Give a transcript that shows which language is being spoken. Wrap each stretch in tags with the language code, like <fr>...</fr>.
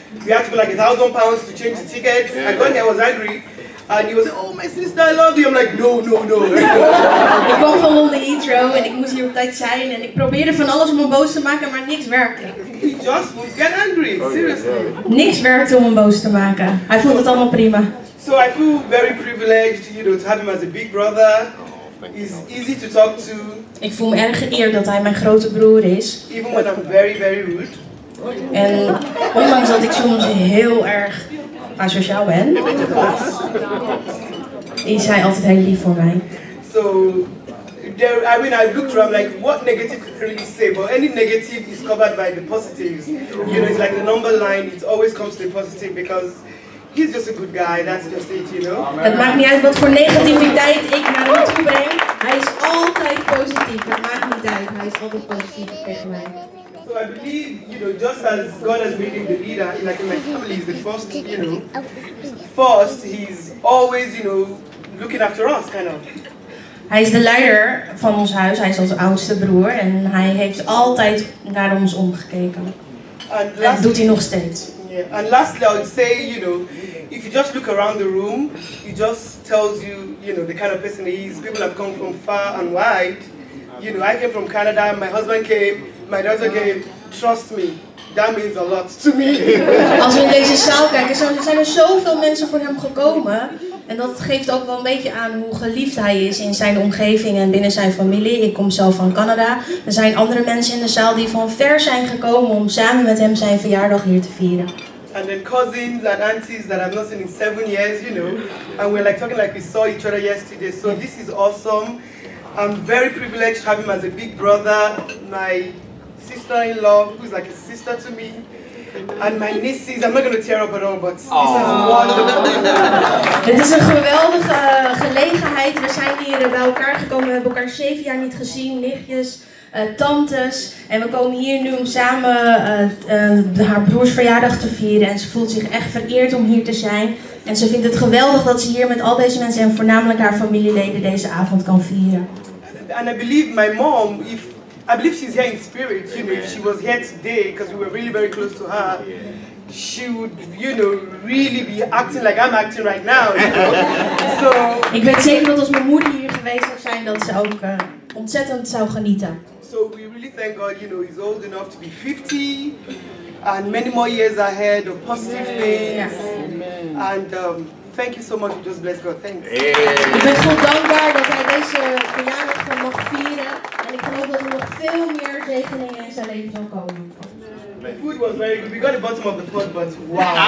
<en>We had to go like £1,000 to change the ticket. I got here, I was angry. And he was like, oh, my sister, I love you. I'm like, no.</en> <nl>Ik kwam van Londen Heathrow en ik moest hier op tijd zijn. En ik probeerde van alles om me boos te maken, maar niks werkte.</nl> <en>He just would get angry, seriously.</en> <nl>Niks werkte om me boos te maken. Hij vond het allemaal prima.</nl> <en>So I feel very privileged, you know, to have him as a big brother. He's easy to talk to.</en> <nl>Ik voel me erg geëerd dat hij mijn grote broer is.</nl> <en>Even when I'm very, very rude.</en> <nl>En ondanks dat ik soms heel erg asociaal ben, is hij altijd heel lief voor mij.</nl> <en>So, there, I mean, I looked around like, what negative could really say? But any negative is covered by the positives. You know, it's like the number line. It always comes to the positive because he's just a good guy. That's just it, you know.</en> <nl>Het maakt niet uit wat voor negativiteit ik naar hem toe breng. Hij is altijd positief. Het maakt niet uit. Hij is altijd positief tegen mij.</nl> <en>So I believe, you know, just as God has made him the leader, like in my family, he's the first, you know, first, he's always, you know, looking after us, kind of.</en> <nl>Hij is de leider van ons huis, hij is onze oudste broer en hij heeft altijd naar ons omgekeken.</nl> <en>And lastly,</en> <nl>dat doet hij nog steeds.</nl> <en>Yeah. And lastly, I would say, you know, if you just look around the room, it just tells you, you know, the kind of person he is. People have come from far and wide. You know, I came from Canada, my husband came. My daughter came, trust me, that means a lot to me.</en> <nl>Als we in deze zaal kijken, zijn er zoveel mensen voor hem gekomen. En dat geeft ook wel een beetje aan hoe geliefd hij is in zijn omgeving en binnen zijn familie. Ik kom zelf van Canada. Er zijn andere mensen in de zaal die van ver zijn gekomen om samen met hem zijn verjaardag hier te vieren.</nl> <en>And then cousins and aunties that I've not seen in 7 years, you know. And we're like talking like we saw each other yesterday. So this is awesome. I'm very privileged to have him as a big brother. My sister-in-law, who's like a sister to me. And my nieces, I'm not going to tear up at all, but this is wonderful.</en> <nl>Het is een geweldige gelegenheid. We zijn hier bij elkaar gekomen. We hebben elkaar 7 jaar niet gezien. Nichtjes, tantes. En we komen hier nu om samen haar broers verjaardag te vieren. En ze voelt zich echt vereerd om hier te zijn. En ze vindt het geweldig dat ze hier met al deze mensen en voornamelijk haar familieleden deze avond kan vieren.</nl> <en>And I believe my mom, I believe she's here in spirit, you know, if she was here today, because we were really very close to her, she would, you know, really be acting like I'm acting right now, you know? So,</en> <nl>ik weet zeker dat als mijn moeder hier geweest zou zijn, dat ze ook ontzettend zou genieten.</nl> <en>So we really thank God, you know, he's old enough to be 50, and many more years ahead of positive things. Yes. And thank you so much, just bless God, thanks. Hey.</en> <nl>Ik ben zo dankbaar dat hij deze verjaardag van mag vieren. Ik hoop dat er nog veel meer zegeningen in zijn leven zal komen.</nl> <en>The food was very good. We got the bottom of the pot, but wow.</en>